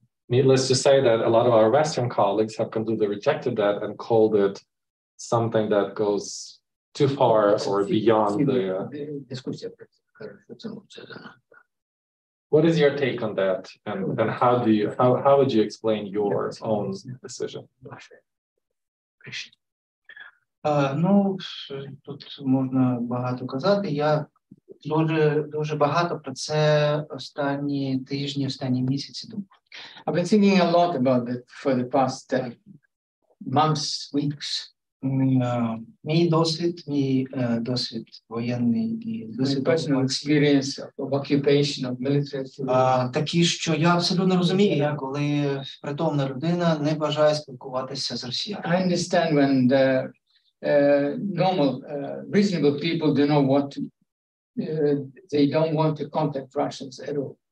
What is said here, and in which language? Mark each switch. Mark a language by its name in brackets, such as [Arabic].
[English] Needless to say that a lot of our Western colleagues have completely rejected that and called it something that goes too far or beyond the... What is your take on that, and how would you explain your own decision? [Ukrainian] Ну, тут можна багато казати. Я дуже багато про це останні тижні, останні місяці думав. [English] I've been thinking a lot about it for the past months, weeks. [Ukrainian] Мій досвід воєнний, досвід [English] personal experience of occupation of military [Ukrainian] такі, що я абсолютно розумію, я коли притомна людина не бажає спілкуватися з росіянами. [English] I understand when the normal reasonable people do not want to they don't want to contact Russians at all.